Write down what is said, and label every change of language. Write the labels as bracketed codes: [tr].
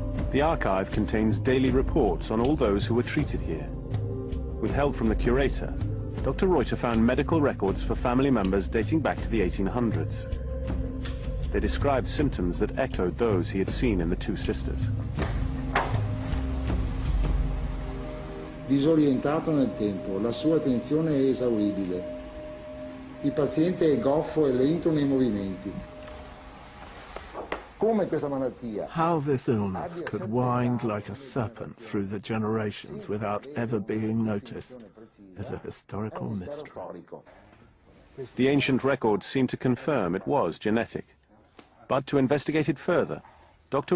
[en] The archive contains daily reports on all those who were treated here. With help from the curator, Dr. Reuter found medical records for family members dating back to the 1800s. They described symptoms that echoed those he had seen in the two sisters. [it] Disorientato nel tempo, la sua attenzione è esauribile. Il paziente è goffo e lento nei movimenti. [en] How this illness could wind like a serpent through the generations without ever being noticed is a historical mystery. The ancient records seem to confirm it was genetic. But to investigate it further, Dr.